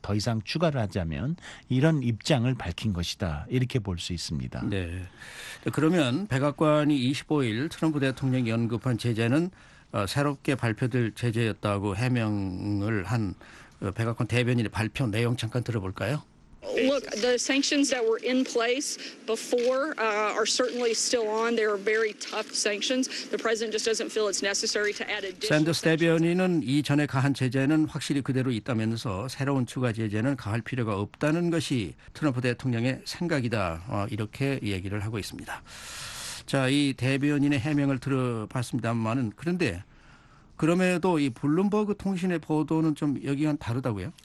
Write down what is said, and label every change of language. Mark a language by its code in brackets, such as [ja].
[ko] 더 이상 추가를 하자면 이런 입장을 밝힌 것이다. 이렇게 볼 수 있습니다. 네. 그러면 백악관이 25일 트럼프 대통령이 언급한 제재는 새롭게 발표될 제재였다고 해명을 한 백악관 대변인의 발표 내용 잠깐 들어볼까요? [en] Look, the sanctions that were in place before are certainly still on. They are very tough sanctions. The president just doesn't feel it's necessary to add additional. [ko] 샌더스 대변인은 이전에 가한 제재는 확실히 그대로 있다면서 새로운 추가 제재는 가할 필요가 없다는 것이 트럼프 대통령의 생각이다. 이렇게 얘기를 하고 있습니다. 자, 이 대변인의 해명을 들어봤습니다만은 그런데 그럼에도 이 블룸버그 통신의 보도는 좀 여기와는 다르다고요?